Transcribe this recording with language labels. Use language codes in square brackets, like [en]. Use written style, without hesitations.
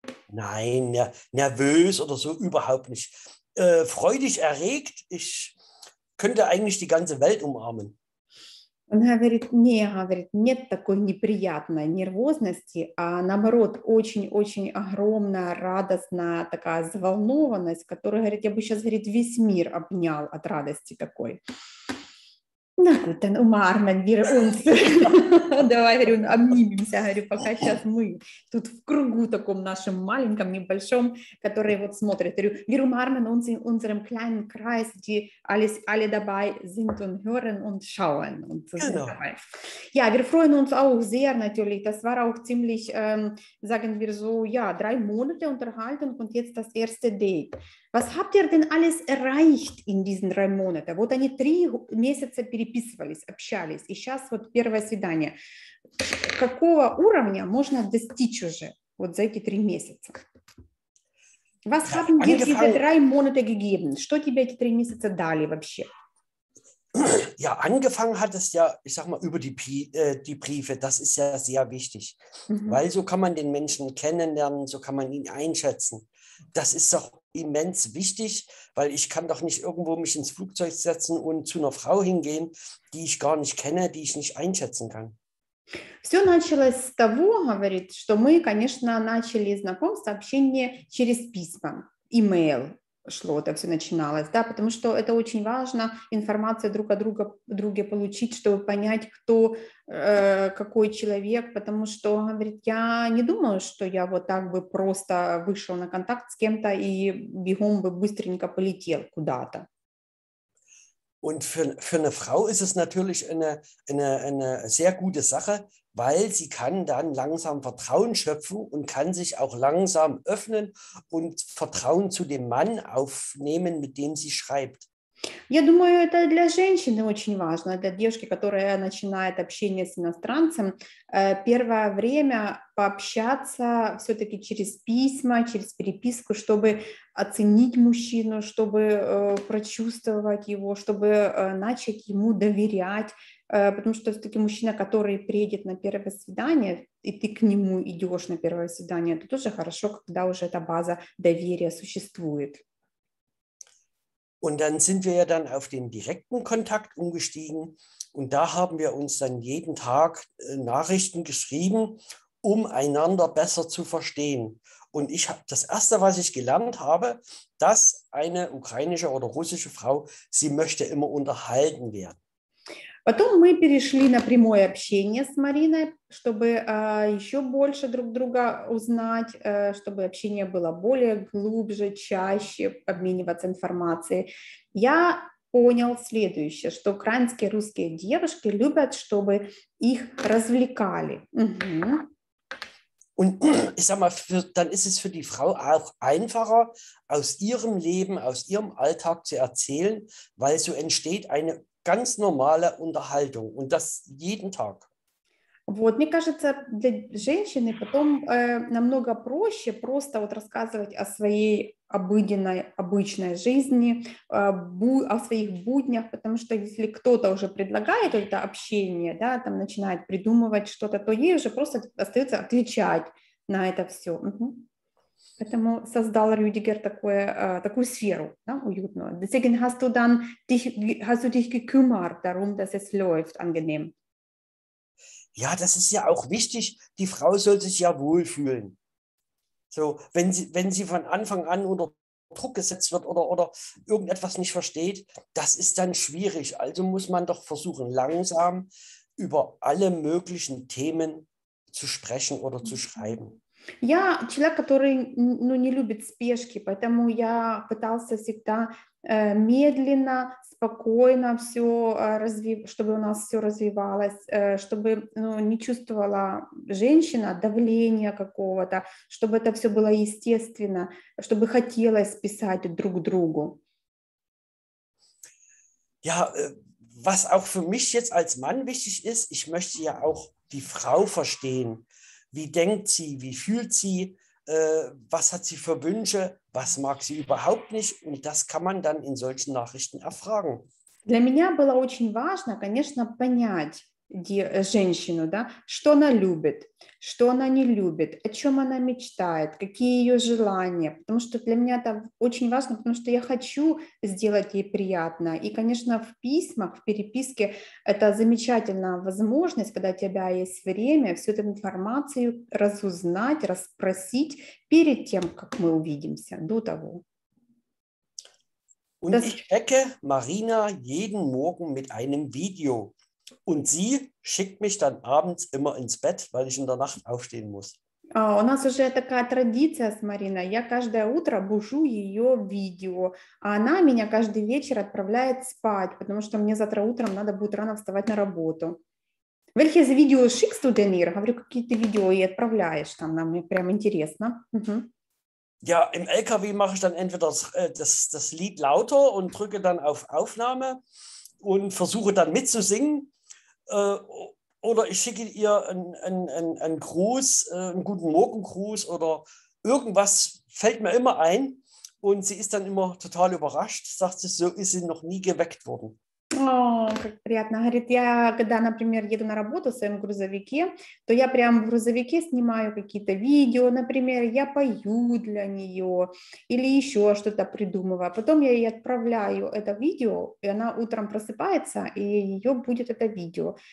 [de] Nein, ne nervös oder so überhaupt nicht. Freudig erregt, ich könnte eigentlich die ganze Welt umarmen. [ru] Он говорит, не, говорит, нет такой неприятной нервозности, а наоборот, очень-очень огромная, радостная такая взволнованность, которая, говорит, я бы сейчас, говорит, весь мир обнял от радости такой. [de] На гутен, умармен вир унс. [ru] Давай, говорю, обнимемся, говорю, пока сейчас мы тут в кругу таком нашем маленьком, небольшом, который вот смотрит. Говорю, [de] вир умармен унс in unserem kleinen Kreis, die alles, alle dabei sind und hören und schauen und so sind Genau. dabei. Ja, wir freuen uns auch sehr natürlich. Das war auch ziemlich, sagen wir so, ja, 3 Monate Unterhaltung und jetzt das erste Date. Was habt ihr denn alles erreicht in diesen 3 Monaten? [ru] Вот они 3 месяца переписывались, общались, и сейчас вот первое свидание. Какого уровня можно достичь уже вот за эти 3 месяца? [de] Was Ja, haben dir diese angefangen. 3 Monate gegeben? [ru] Что тебе эти 3 месяца дали вообще? [de] Ja, angefangen hat es ja, ich sag mal, über die Briefe. Das ist ja sehr wichtig, weil so kann man den Menschen kennenlernen, so kann man ihn einschätzen. Das ist doch immens wichtig, weil ich kann doch nicht irgendwo mich ins Flugzeug setzen und zu einer Frau hingehen, die ich gar nicht kenne, die ich nicht einschätzen kann. [ru] Все началось с того, говорит, что мы, конечно, начали знакомство, общение через письма, имейл шло, это все начиналось, да, потому что это очень важно, информацию друг о друге получить, чтобы понять, кто, какой человек, потому что, говорит, я не думаю, что я вот так бы просто вышел на контакт с кем-то и бегом бы быстренько полетел куда-то. [de] Und für eine Frau ist es natürlich eine sehr gute Sache, weil sie kann dann langsam Vertrauen schöpfen und kann sich auch langsam öffnen und Vertrauen zu dem Mann aufnehmen, mit dem sie schreibt. [ru] Я думаю, это для женщины очень важно, для девушки, которая начинает общение с иностранцем, первое время пообщаться все-таки через письма, через переписку, чтобы оценить мужчину, чтобы прочувствовать его, чтобы начать ему доверять, потому что все-таки мужчина, который приедет на первое свидание, и ты к нему идешь на первое свидание, это тоже хорошо, когда уже эта база доверия существует. [de] Und dann sind wir ja dann auf den direkten Kontakt umgestiegen und da haben wir uns dann jeden Tag Nachrichten geschrieben, um einander besser zu verstehen. Und ich habe das Erste, was ich gelernt habe, dass eine ukrainische oder russische Frau, sie möchte immer unterhalten werden. [ru] Потом мы перешли на прямое общение с Мариной, чтобы еще больше друг друга узнать, чтобы общение было более глубже, чаще, обмениваться информацией. Я понял следующее, что украинские русские девушки любят, чтобы их развлекали. Угу. [de] Und ich sag mal, dann ist es für die Frau auch einfacher, aus ihrem Leben, aus ihrem Alltag zu erzählen, weil so entsteht eine ganz normale Unterhaltung und das jeden Tag. [ru] Вот, мне кажется, для женщины потом намного проще просто вот рассказывать о своей обычной жизни, о своих буднях, потому что если кто-то уже предлагает это общение, да, там начинает придумывать что-то, то ей уже просто остается отвечать на это все. Угу. Поэтому создал Рюдигер такую сферу, да, уютную. [de] Deswegen hast du dich gekümmert darum, dass es läuft angenehm. Ja, das ist ja auch wichtig. Die Frau soll sich ja wohlfühlen. So, wenn sie von Anfang an unter Druck gesetzt wird oder irgendetwas nicht versteht, das ist dann schwierig. Also muss man doch versuchen, langsam über alle möglichen Themen zu sprechen oder zu schreiben. [ru] Я человек, который не любит спешки, поэтому я пытался всегда медленно, спокойно все развивать, чтобы у нас все развивалось, чтобы не чувствовала женщина давления какого-то, чтобы это все было естественно, чтобы хотелось писать друг другу. [de] Ja, was auch für mich jetzt als Mann wichtig ist, ich möchte ja auch die Frau verstehen. Wie denkt sie, wie fühlt sie, was hat sie für Wünsche, was mag sie überhaupt nicht? Und das kann man dann in solchen Nachrichten erfragen. [ru] Для меня было очень важно, конечно, понять die женщину, да, что она любит, что она не любит, о чем она мечтает, какие ее желания, потому что для меня это очень важно, потому что я хочу сделать ей приятно. И, конечно, в письмах, в переписке это замечательная возможность, когда у тебя есть время всю эту информацию разузнать, расспросить перед тем, как мы увидимся, до того. [de] Und das... ich checke Marina jeden Morgen mit einem Video. Und sie schickt mich dann abends immer ins Bett, weil ich in der Nacht aufstehen muss. [ru] У нас уже такая традиция с Мариной. Я каждое утро бужу ее видео, а она меня каждый вечер отправляет спать, потому что мне завтра утром надо будет рано вставать на работу. [de] Welches Video schickst du denn ihr? [ru] Говорю, какие ты видео ей отправляешь там, нам прям интересно. [de] Ja, im LKW mache ich dann entweder das Lied lauter und drücke dann auf Aufnahme. Und versuche dann mitzusingen oder ich schicke ihr einen Gruß, einen guten Morgengruß oder irgendwas fällt mir immer ein und sie ist dann immer total überrascht, sagt sie, so ist sie noch nie geweckt worden. [ru] О, как приятно. Говорит, я когда, например, еду на работу в своем грузовике, то я прям в грузовике снимаю какие-то видео, например, я пою для нее или еще что-то придумываю. Потом я ей отправляю это видео, и она утром просыпается, и ее будет это видео.